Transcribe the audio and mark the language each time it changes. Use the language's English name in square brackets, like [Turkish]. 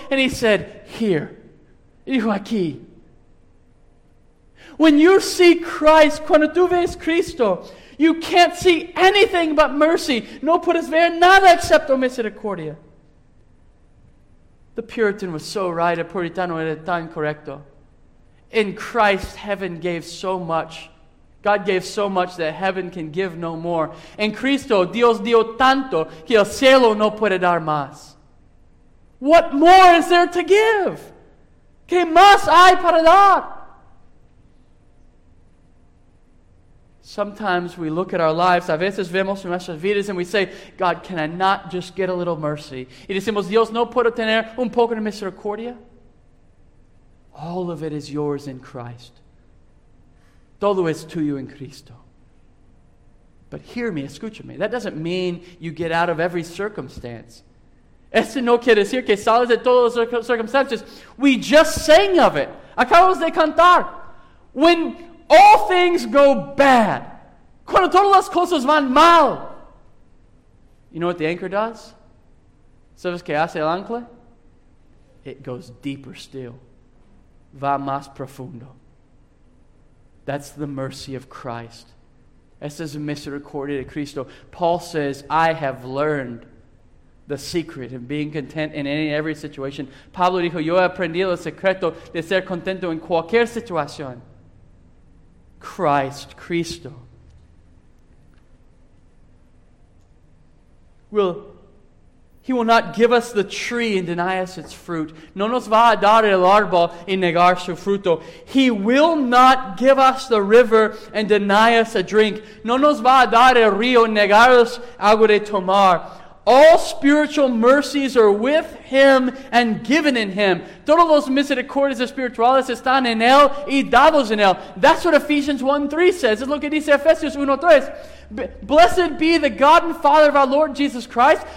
[English] And he said, here. [Spanish] Dijo aquí. [English] When you see Christ, [Spanish] cuando tú ves Cristo, [English] you can't see anything but mercy. [Spanish] No puedes ver nada excepto misericordia. [English] The Puritan was so right. [Spanish] El Puritano era tan correcto. [English] In Christ, heaven gave so much. God gave so much that heaven can give no more. [Spanish] En Cristo, Dios dio tanto que el cielo no puede dar más. [English] What more is there to give? [Spanish] ¿Qué más hay para dar? [English] Sometimes we look at our lives, [Spanish] a veces vemos nuestras vidas, [English] and we say, God, can I not just get a little mercy? [Spanish] Y decimos, Dios, ¿no puedo tener un poco de misericordia? [English] All of it is yours in Christ. [Spanish] Todo es tuyo en Cristo. [English] But hear me, [Spanish] escúchame. [English] That doesn't mean you get out of every circumstance. [Spanish] Esto no quiere decir que sales de todas las circunstancias. [English] We just sang of it. [Spanish] Acabamos de cantar. [English] When all things go bad, [Spanish] cuando todas las cosas van mal, [English] you know what the anchor does? [Spanish] ¿Sabes qué hace el ancla? [English] It goes deeper still. [Spanish] Va más profundo. [English] That's the mercy of Christ. [Spanish] Esta es misericordia de Cristo. [English] Paul says, I have learned the secret of being content in any and every situation. [Spanish] Pablo dijo, yo he aprendido el secreto de ser contento en cualquier situación. [English] Christ, Cristo. He will not give us the tree and deny us its fruit. [Spanish] No nos va a dar el árbol y negar su fruto. [English] He will not give us the river and deny us a drink. [Spanish] No nos va a dar el río y negaros agua de tomar. [English] All spiritual mercies are with Him and given in Him. [Spanish] Todos los misericordias espirituales están en Él y dados en Él. [English] That's what Ephesians 1:3 says. [Spanish] Es lo que dice Efesios 1:3. [English] Blessed be the God and Father of our Lord Jesus Christ.